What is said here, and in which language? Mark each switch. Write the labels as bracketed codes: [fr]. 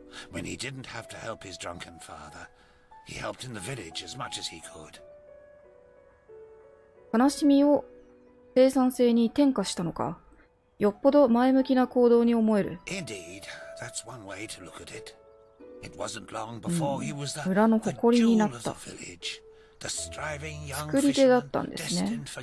[en] When he didn't have to help his drunken father, he helped in the village as much as he could. [ja] 悲しみを生産性に転化したのか。よっぽど前向きな行動に思える。 [en] Indeed, that's one way to look at it. It wasn't long before he was the jewel of the village. [ja] 作り手だったんですね。